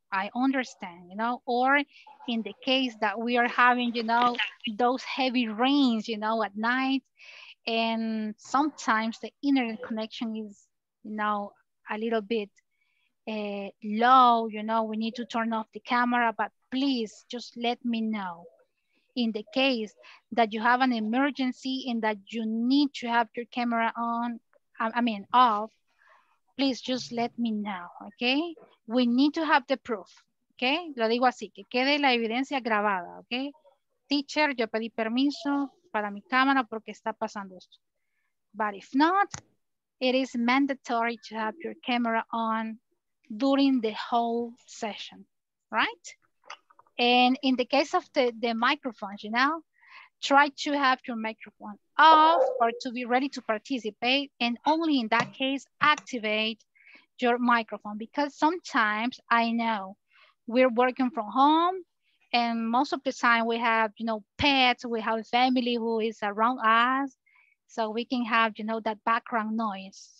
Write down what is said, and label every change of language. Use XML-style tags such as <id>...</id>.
<en>I understand, you know? Or in the case that we are having, you know, those heavy rains, you know, at night, and sometimes the internet connection is, you know, a little bit low, you know, we need to turn off the camera, but please just let me know. In the case that you have an emergency and that you need to have your camera on, I mean off, please just let me know, okay? We need to have the proof, okay?</en> <es>Lo digo así, que quede la evidencia grabada,</es> <en>okay?</en> <es>Teacher, yo pedí permiso para mi cámara porque está pasando esto.</es> <en>But if not, it is mandatory to have your camera on during the whole session, right? And in the case of the microphones, you know, try to have your microphone off or to be ready to participate, and only in that case, activate your microphone, because sometimes I know we're working from home, and most of the time we have, you know, pets, we have family who is around us, so we can have, you know, that background noise.</en>